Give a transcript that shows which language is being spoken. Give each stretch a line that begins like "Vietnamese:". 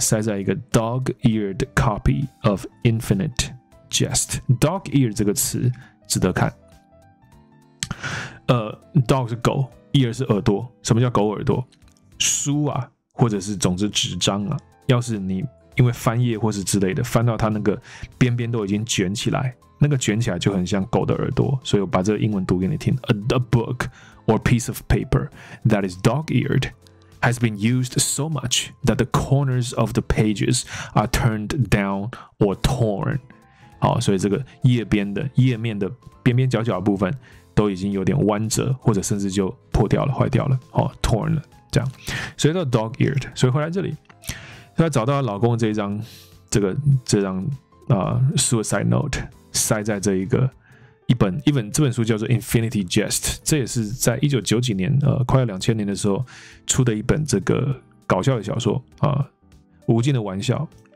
Chinese: 塞在一个
English: dog-eared copy of InfiniteJest dog ear
Chinese: 这个词值得看。 dog 是狗 ，ear 是耳朵。什么叫狗耳朵？书啊，或者是总之纸张啊，要是你因为翻页或是之类的，翻到它那个边边都已经卷起来，那个卷起来就很像狗的耳朵。所以我把这个英文读给你听
English: ：A book or piece of paper that is dog eared has been used so much that the corners of the pages are turned down or torn.
Chinese: 好，所以这个页面的边边角角的部分都已经有点弯折，或者甚至就破掉了、坏掉了，好 ，torn 了这样。所以叫 dog-eared。所以回来这里，他找到老公这一张这张suicide note 塞在这一个一本这本书叫做 Infinity Jest， 这也是在1990年快要2000年的时候出的一本这个搞笑的小说啊、无尽的玩笑。